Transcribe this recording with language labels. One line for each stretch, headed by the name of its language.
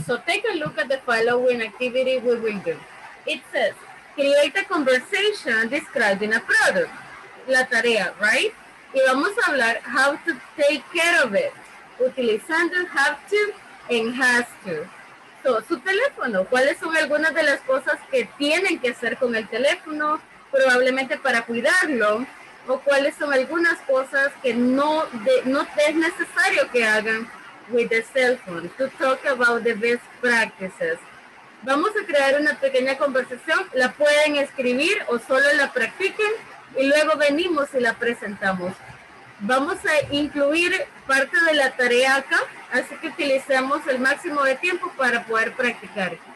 English: So take a look at the following activity we will do. It says, create a conversation describing a product.
Spanish: La tarea, right? Y vamos a hablar
English: how to take care of it,
Spanish: utilizando have to and has to. Su teléfono, ¿cuáles son algunas de las cosas que tienen que hacer con el teléfono? Probablemente para cuidarlo, o cuáles son algunas cosas que no es necesario que hagan
English: with the cell phone to talk about the best practices.
Spanish: Vamos a crear una pequeña conversación, la pueden escribir o solo la practiquen y luego venimos y la presentamos. Vamos a incluir parte de la tarea acá, así que utilicemos el máximo de tiempo para poder practicar.